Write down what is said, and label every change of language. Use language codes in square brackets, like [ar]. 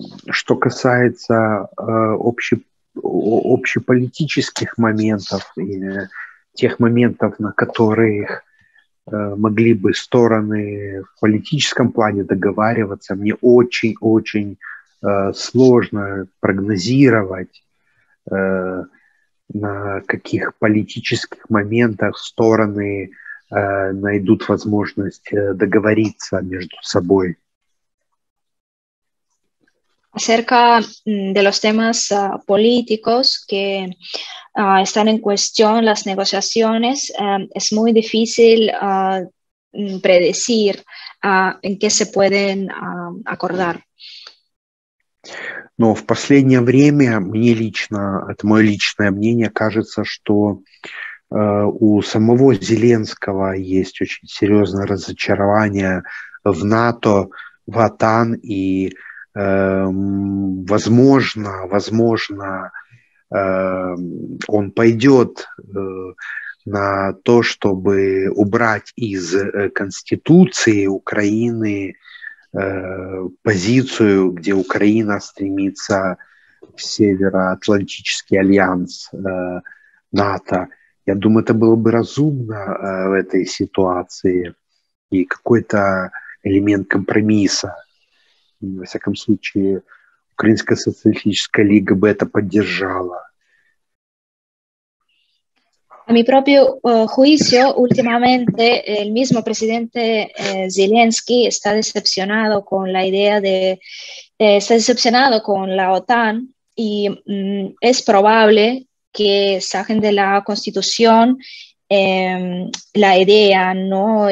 [ru] Что касается общеполитических моментов и тех моментов, на которых могли бы стороны в политическом плане договариваться, мне очень-очень сложно прогнозировать, на каких политических моментах стороны найдут возможность договориться между собой. [es] Acerca de los temas políticos que están en cuestión, las negociaciones, es muy difícil predecir en qué se pueden acordar. [ru] Но в последнее время, мне лично, это мое личное мнение, кажется, что у самого Зеленского есть очень серьезное разочарование в НАТО, в ОТАН и... Возможно, он пойдет на то, чтобы убрать из Конституции Украины позицию, где Украина стремится в Североатлантический альянс НАТО. Я думаю, это было бы разумно в этой ситуации и какой-то элемент компромисса. Во всяком случае, Украинская социалистическая лига бы это поддержала. [es] A mi propio juicio, últimamente el mismo presidente Zelensky está decepcionado con la idea de está decepcionado con la OTAN y es probable que saquen de la Constitución la idea, ¿no?